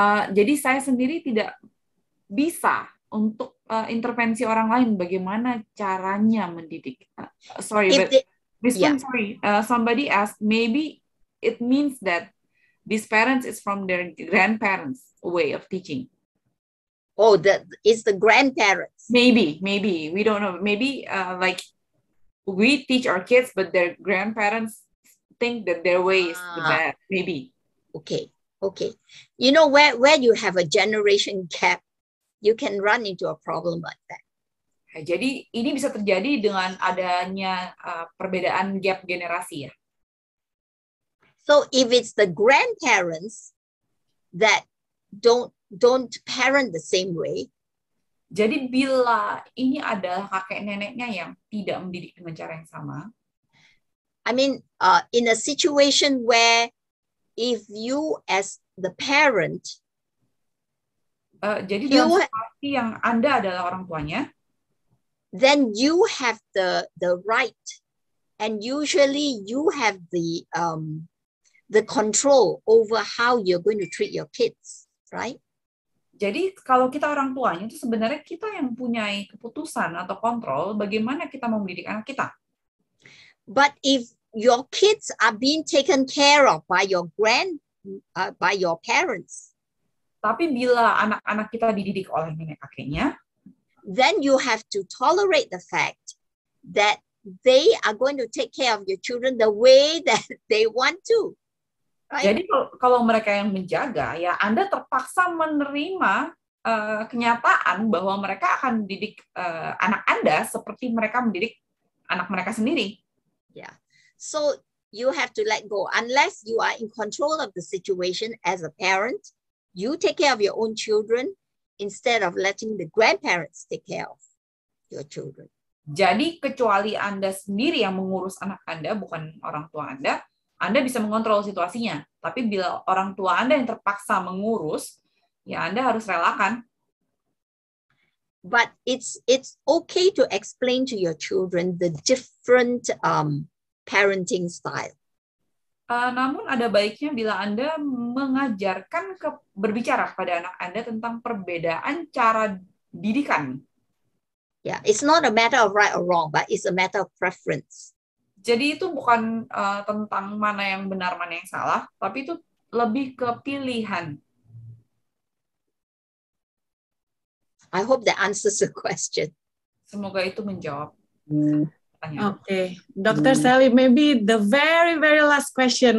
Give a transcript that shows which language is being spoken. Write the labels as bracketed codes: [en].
[id] Jadi saya sendiri tidak bisa untuk intervensi orang lain bagaimana caranya mendidik. [en] Somebody asked, maybe it means that these parents is from their grandparents' way of teaching. Oh, that is the grandparents. Maybe we don't know. Maybe like we teach our kids, but their grandparents think that their way is the best. Maybe. Okay. Okay, you know where you have a generation gap, you can run into a problem like that. [id] Jadi ini bisa terjadi dengan adanya perbedaan gap generasi ya. [en] So if it's the grandparents that don't parent the same way. [id] Jadi bila ini adalah kakek neneknya yang tidak mendidik dengan cara yang sama. [en] I mean, in a situation where if you as the parent. [id] Jadi dalam situasi yang Anda adalah orang tuanya. [en] Then you have the right, and usually you have the control over how you're going to treat your kids, right? [id] Jadi kalau kita orang tuanya itu sebenarnya kita yang punya keputusan atau kontrol bagaimana kita mau mendidik anak kita. [en] But if your kids are being taken care of by your grand by your parents. [id] Tapi bila anak-anak kita dididik oleh nenek kakeknya. [en] Then you have to tolerate the fact that they are going to take care of your children the way that they want to. Right? [id] Jadi kalau mereka yang menjaga, ya Anda terpaksa menerima kenyataan bahwa mereka akan mendidik anak Anda seperti mereka mendidik anak mereka sendiri. [en] Yeah. So you have to let go. Unless you are in control of the situation as a parent, you take care of your own children. Instead of letting the grandparents take care of your children. [id] Jadi kecuali Anda sendiri yang mengurus anak Anda, bukan orang tua Anda, Anda bisa mengontrol situasinya. Tapi bila orang tua Anda yang terpaksa mengurus, ya Anda harus relakan. [en] But it's okay to explain to your children the different parenting style. [id] Namun ada baiknya bila Anda mengajarkan berbicara kepada anak Anda tentang perbedaan cara didikan. [en] Yeah, it's not a matter of right or wrong, but it's a matter of preference. [id] Jadi itu bukan tentang mana yang benar, mana yang salah, tapi itu lebih ke pilihan. [en] I hope that answers the question. [id] Semoga itu menjawab. [en] Okay, Dr. Sally, maybe the very, very last question.